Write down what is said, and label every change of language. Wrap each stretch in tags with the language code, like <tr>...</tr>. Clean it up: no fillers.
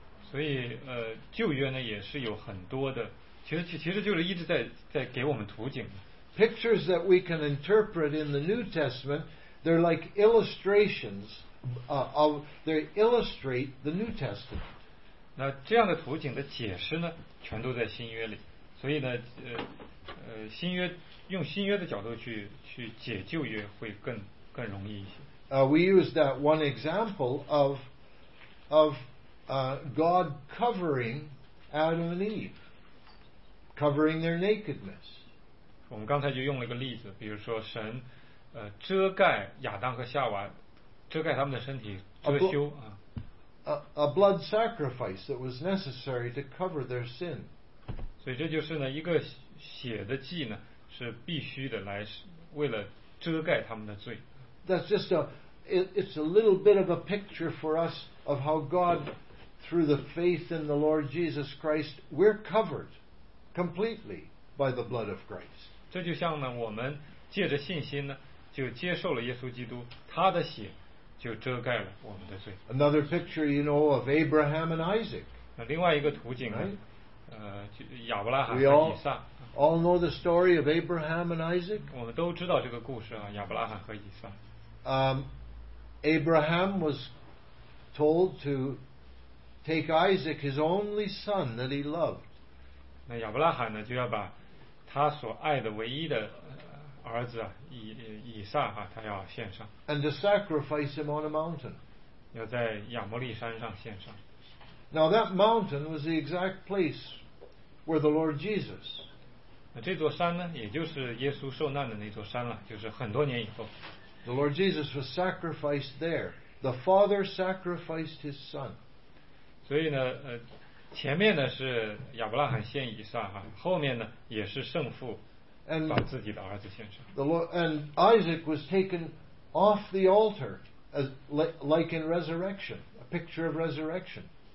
<zh>所以旧约呢也是有很多的，其实就是一直在给我们图景。</zh> <en>Pictures that we can interpret in the New Testament, they're like illustrations. They illustrate the New Testament.</en> <zh>那这样的图景的解释呢，全都在新约里。所以呢，新约用新约的角度去解旧约会更容易一些。</zh> <en>We use that one example of God covering Adam and Eve, covering their nakedness.</en> <zh>我们刚才就用了一个例子，比如说神，遮盖亚当和夏娃。遮盖他们的身体，遮羞啊。</zh> <en>A blood sacrifice that was necessary to cover their sin.</en> <zh>所以这就是呢，一个血的祭呢，是必须的，来为了遮盖他们的罪。</zh> <en>That's just it's a little bit of a picture for us of how God, through the faith in the Lord Jesus Christ, we're covered completely by the blood of Christ.</en> <zh>这就像呢，我们借着信心呢，就接受了耶稣基督他的血。就遮盖了我们的罪。</zh> <en>Another picture, you know, of Abraham and Isaac.</en> <zh>另外一个图景呢，</zh> <en>right?</en> <zh>亚伯拉罕和以撒。</zh> <en>All know the story of Abraham and Isaac.</en> <zh>我们都知道这个故事啊，亚伯拉罕和以撒。</zh> <en>Abraham was told to take Isaac, his only son that he loved.</en> <zh>那亚伯拉罕呢，就要把他所爱的唯一的。儿子啊，以撒啊，他要献上。</zh> <en>And to sacrifice him on a mountain.</en> <zh>要在亚摩利山上献上。</zh> <en>Now that mountain was the exact place where the Lord Jesus.</en> <zh>那这座山呢，也就是耶稣受难的那座山了，就是很多年以后。</zh> <en>The Lord Jesus was sacrificed there. The Father sacrificed His Son.</en> <zh>所以呢，前面呢是亚伯拉罕献以撒哈，后面呢也是圣父。</zh> <en>And Isaac was taken off the altar as like in resurrection, a picture of resurrection.</en>